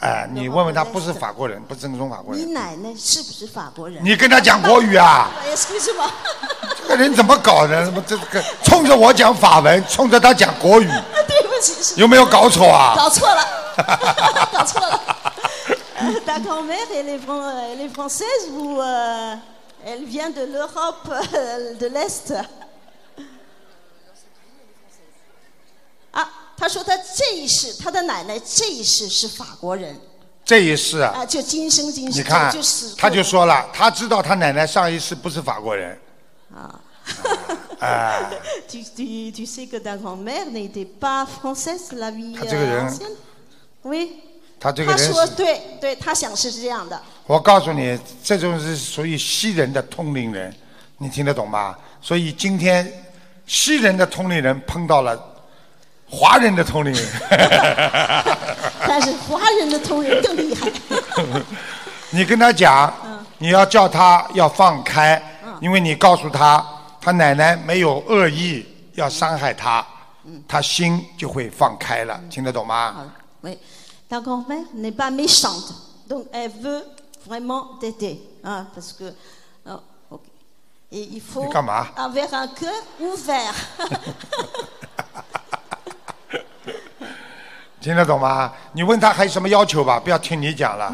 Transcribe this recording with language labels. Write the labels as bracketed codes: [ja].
[zh] 你问问他，不是法国人，不正宗法国人。你奶奶是不是法国人？你跟他讲国语啊？这个人怎么搞的？怎么这个冲着我讲法文，冲着他讲国语？对不起，有没有搞错啊？搞错了。 [fr] Ta grand-mère, elle est française ou elle vient de l'Europe de l'Est? [zh] Ah, 他说他这一世，他的奶奶这一世是法国人。这一世啊，就今生今世，你看，他就说了，他知道他奶奶上一世不是法国人。 [fr] 啊，tu sais que ta grand-mère n'était pas française, la vie ancienne? [zh] 他这个人， [fr] oui。 [zh] 他这个人他说对对，他想是这样的。我告诉你，这种是属于西人的通灵人，你听得懂吗？所以今天西人的通灵人碰到了华人的通灵人。但是华人的通灵更厉害。你跟他讲，你要叫他要放开，因为你告诉他，他奶奶没有恶意要伤害他，他心就会放开了，听得懂吗？喂。 [fr] Ta grand-mère n'est pas méchante, donc elle veut vraiment t'aider, hein, parce que, oh, okay. Et il faut avoir un cœur ouvert. [zh] 听得懂吗？你问他还有什么要求吧，不要听你讲了。